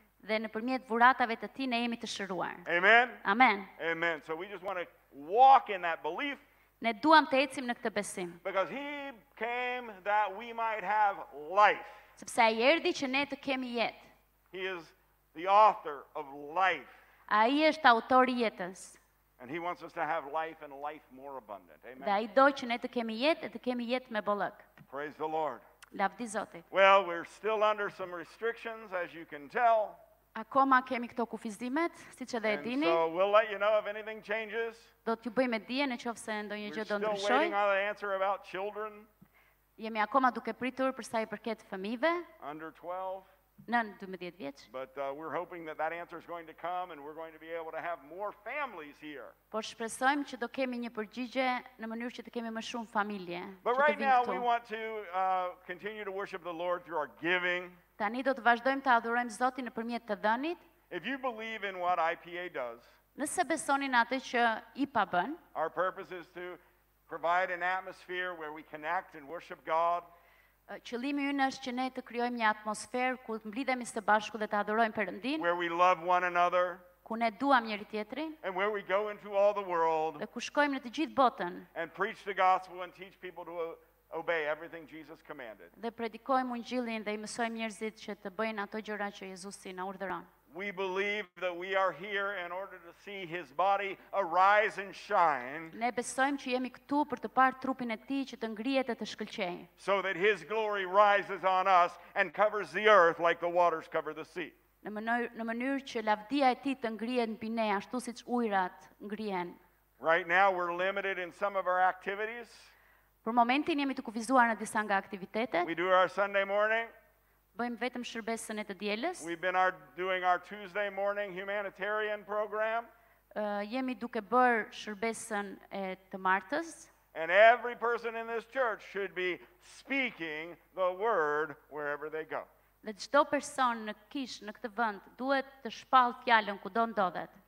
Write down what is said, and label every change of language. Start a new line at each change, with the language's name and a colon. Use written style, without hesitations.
Albanian: Dhe në përmjet vuratave të ti ne jemi të shëruar.
English: Amen. Amen. Amen. So we just want to walk in that belief.
Albanian: Ne duam të ecim në këtë besim.
English: Because he came that we might have life.
Albanian: Sepse ai erdhi që ne të kemi jetë.
English: He is the author of life.
Albanian: Ai është autori I jetës.
English: And he wants us to have life and life more abundant. Amen.
Albanian: Dhe ai do që ne të kemi jetë dhe të kemi jetë me bollëk.
English: Praise the Lord.
Albanian: Lavdi Zotit.
English: Well, we're still under some restrictions as you can tell.
Albanian: Akoma kemi këto kufizimet, siç edhe e dini.
English: So we'll let you know if anything changes.
Albanian: Do t'ju bëjmë dije nëse ndonjë gjë do ndryshojë.
English: We're still waiting on the answer about children.
Albanian: Jemi akoma duke pritur për sa I përket fëmijëve.
English: Under 12.
Albanian: 19 vjeç.
English: But we're hoping that that answer is going to come and we're going to be able to have more families here.
Albanian: Po shpresojmë që do kemi një përgjigje në mënyrë që të kemi më shumë familje.
English: But right now we want to continue to worship the Lord through our giving.
Albanian: Tani do të vazhdojmë të adhurojmë Zotin nëpërmjet të dhënit.
English: If you believe in what IPA does,
Albanian: nëse besoni në atë që IPA bën,
English: our purpose is to provide an atmosphere where we connect and worship God.
Albanian: Qëllimi ynë është që ne të krijojmë një atmosferë ku mblidhemi së bashku dhe të adhurojmë Perëndin.
English: Where we love one another.
Albanian: Ku ne duam njëri tjetrin.
English: And where we go into all the world.
Albanian: Dhe ku shkojmë në të gjithë botën.
English: And preach the gospel and teach people to obey everything Jesus commanded.
Albanian: Dhe predikojmë ungjillin dhe I mësojmë njerëzit që të bëjnë ato gjëra që Jezusi na urdhëron.
English: We believe that we are here in order to see his body arise and shine.
Albanian: Ne besojmë që jemi këtu për të parë trupin e tij që të ngrihet e të shkëlqejë.
English: So that his glory rises on us and covers the earth like the waters cover the sea.
Albanian: Në mënyrë që lavdia e tij të ngrihet mbi ne ashtu siç ujërat ngrihen.
English: Right now we're limited in some of our activities.
Albanian: Për momentin jemi të kufizuar në disa nga aktivitetet.
English: We do our Sunday morning.
Albanian: Bëjmë vetëm shërbesën e të dielës.
English: We've been doing our Tuesday morning humanitarian program.
Albanian: Jemi duke bërë shërbesën e të martës.
English: And every person in this church should be speaking the word wherever they go.
Albanian: Dhe çdo person në kishë në këtë vend duhet të shpall fjalën kudo ndodhet.